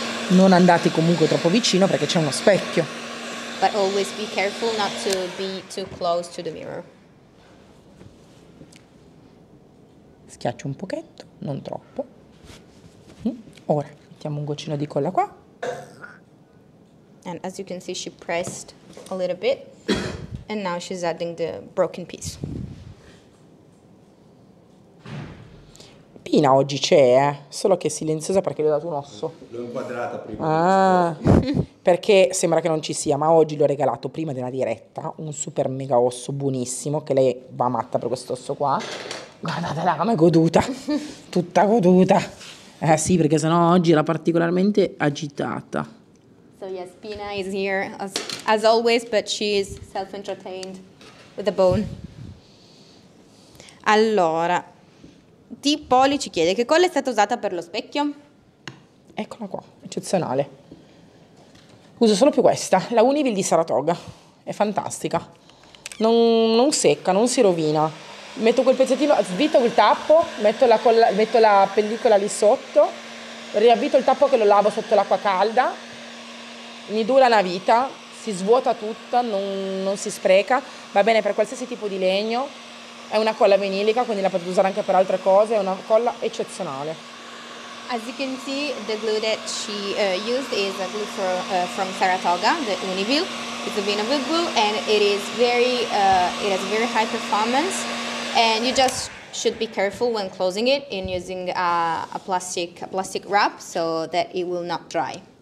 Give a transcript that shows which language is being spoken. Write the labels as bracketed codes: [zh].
[it] Non andate comunque troppo vicino perché c'è uno specchio. [en] But always be careful not to be too close to the mirror. [it] Schiaccio un pochetto, non troppo. Ora mettiamo un goccino di colla qua. [en] And as you can see, she pressed a little bit. And now she's adding the broken piece. [it] Pina oggi c'è, solo che è silenziosa perché le ho dato un osso. L'ho inquadrata prima. Ah, perché sembra che non ci sia, ma oggi le ho regalato prima della diretta un super mega osso buonissimo, che lei va matta per questo osso qua. Guardatela, come è goduta. Tutta goduta. Sì, perché sennò oggi era particolarmente agitata. [en] So yes, Pina is here as always, but she is self-entertained with the bone. [it] Allora, Tipoli ci chiede che colla è stata usata per lo specchio. Eccola qua, eccezionale. Uso solo più questa, la Univille di Saratoga. È fantastica. Non secca, non si rovina. Metto quel pezzettino, svito quel tappo, metto la pellicola lì sotto, riavvito il tappo che lo lavo sotto l'acqua calda. Mi dura una vita, si svuota tutta, non si spreca, va bene per qualsiasi tipo di legno, è una colla vinilica, quindi la potete usare anche per altre cose, è una colla eccezionale. [en] As you can see, the glue that she used is a glue from Saratoga, the Univille. It's a vinyl glue and it is it has very high performance and you just should be careful when closing it in using a plastic wrap so that it will not dry.